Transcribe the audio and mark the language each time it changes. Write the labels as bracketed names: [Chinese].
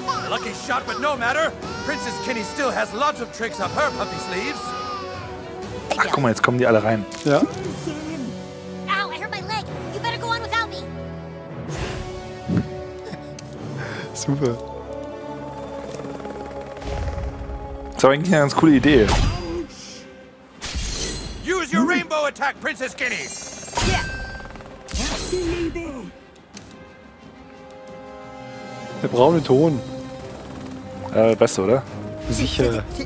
[English] Lucky shot, but no matter. Princess Kenny still has lots of tricks up her puppy sleeves. [German] Ach, guck mal, jetzt kommen die alle rein. Ja. Super. Das war eigentlich eine ganz coole Idee. [English] Use your rainbow attack, Princess Kenny. [German] Der braune Ton. Beste, oder? Sicher.